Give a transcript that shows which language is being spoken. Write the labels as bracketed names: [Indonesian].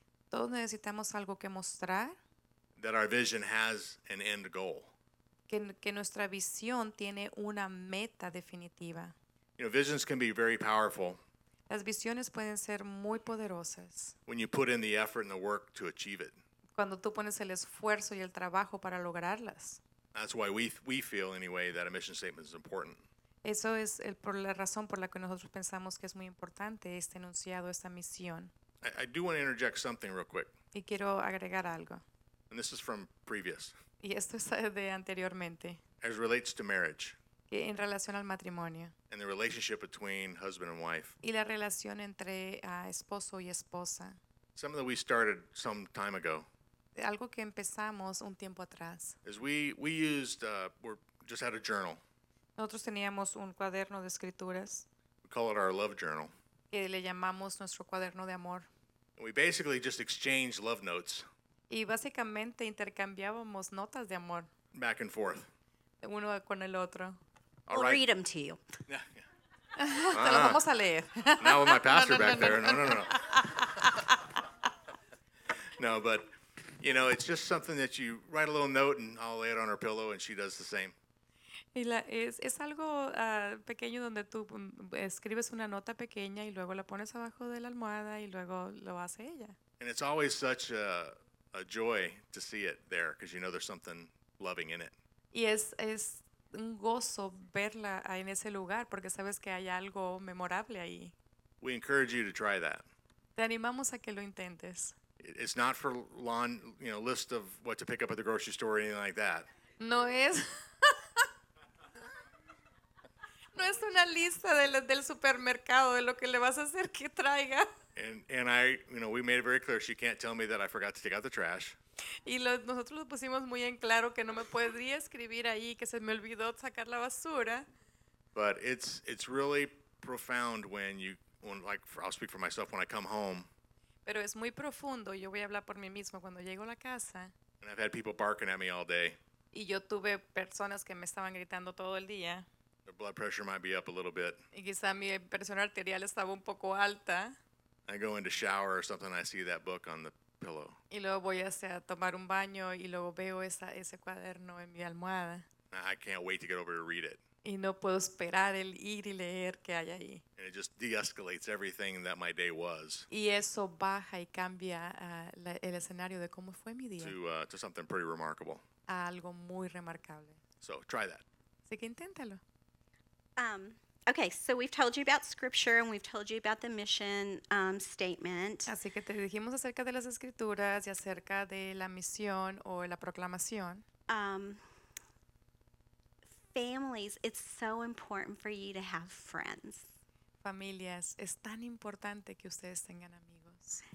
[Spanish] Todos necesitamos algo que mostrar. [English] That our vision has an end goal. [Spanish] Que nuestra visión tiene una meta definitiva. [English] You know, visions can be very powerful. [Spanish] Las visiones pueden ser muy poderosas. [English] When you put in the effort and the work to achieve it. [Spanish] Cuando tú pones el esfuerzo y el trabajo para lograrlas. [English] That's why we feel anyway that a mission statement is important. [Spanish] Eso es la razón por la que nosotros pensamos que es muy importante este enunciado, esta misión. [English] I do want to interject something real quick. [Spanish] Y quiero agregar algo. [English] And this is from previous. [Spanish] Y esto es de anteriormente. [English] As relates to marriage. [Spanish] En relación al matrimonio. [English] And the relationship between husband and wife. [Spanish] Y la relación entre esposo y esposa. [English] Something that we started some time ago. [Spanish] Algo que empezamos un tiempo atrás. [English] As we used, we just had a journal. [Spanish] Nosotros teníamos un cuaderno de escrituras. [English] We call it our love journal. [Spanish] Que le llamamos nuestro cuaderno de amor. [English] And we basically just exchanged love notes. [Spanish] Y básicamente intercambiábamos notas de amor. [English] Back and forth. [Spanish] Uno con el otro. [English] All right. We'll read them to you. [Spanish] Te lo vamos a leer. [English] Not with my pastor back there. No. No, but, you know, it's just something that you write a little note and I'll lay it on her pillow and she does the same. [Spanish] Y la, es algo pequeño donde tú escribes una nota pequeña y luego la pones abajo de la almohada y luego lo hace ella. [English] And it's always such a joy to see it there because you know there's something loving in it. [Spanish] Y es un gozo verla en ese lugar porque sabes que hay algo memorable ahí. [English] We encourage you to try that. [Spanish] Te animamos a que lo intentes. [English] It's not for lawn, you know, list of what to pick up at the grocery store or anything like that. [Spanish] No es. No es una lista del supermercado de lo que le vas a hacer que traiga. [English] And I, you know, we made it very clear she can't tell me that I forgot to take out the trash. [Spanish] Y nosotros lo pusimos muy en claro que no me podría escribir ahí que se me olvidó sacar la basura. [English] But it's really profound I'll speak for myself when I come home. [Spanish] Pero es muy profundo, yo voy a hablar por mí mismo cuando llego a la casa. [English] And I've had people barking at me all day. [Spanish] Y yo tuve personas que me estaban gritando todo el día. [English] Their blood pressure might be up a little bit. [Spanish] Y quizá mi presión arterial estaba un poco alta. [English] I go into shower or something, I see that book on the pillow. [Spanish] Y luego voy a tomar un baño y luego veo ese cuaderno en mi almohada. [English] I can't wait to get over to read it. [Spanish] Y no puedo esperar el ir y leer que hay ahí. [English] And it just de-escalates everything that my day was. [Spanish] Y eso baja y cambia el escenario de cómo fue mi día. [English] To something pretty remarkable. [Spanish] A algo muy remarcable. [English] So try that. [Spanish] Así que inténtalo. [English] Okay, so we've told you about scripture and we've told you about the mission statement. [Spanish] Así que te dijimos acerca de las escrituras y acerca de la misión o la proclamación. [English] Families, it's so important for you to have friends. [Spanish] Familias, es tan importante que ustedes tengan amigos.